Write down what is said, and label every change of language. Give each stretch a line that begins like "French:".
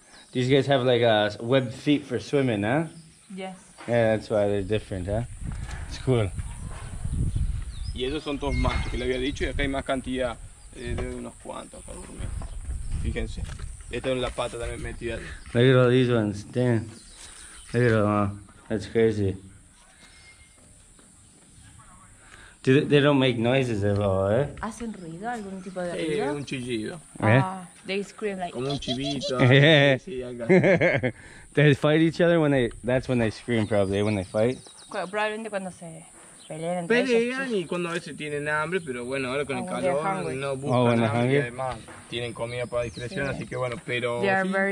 English: These guys have like webbed feet for swimming, huh? Yes. Yeah, that's why they're different, huh? It's cool.
Spanish: Y esos son todos machos, que le había dicho, y acá hay más cantidad de unos cuantos, por lo menos. Fíjense, esta es la pata también metida.
English: Look at all these ones, damn. Look at them, that's crazy. Dude, they don't make noises at all, eh?
Spanish: ¿Hacen ruido? ¿Algún tipo de ruido? Sí, un chillido.
English: They scream like...
Spanish: Como un chivito.
English: Yeah. They fight each other when that's when they scream, probably, when they fight.
Spanish: Probablemente cuando se... Pelean y cuando a veces tienen hambre, pero bueno, ahora con el calor no buscan hambre, hungry. Además tienen comida para discreción, así que bueno, pero sí, very...